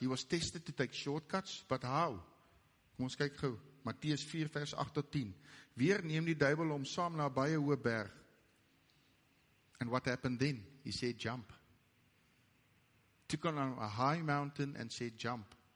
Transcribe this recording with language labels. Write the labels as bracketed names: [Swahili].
[English] He was tested to take shortcuts, but how? [Afrikaans] Kom ons kyk gou, Matteus 4 vers 8 tot 10. Weer neem die duivel hom saam na baie hoë berg. [English] And what happened then? He said jump. took her on a high mountain and said, jump.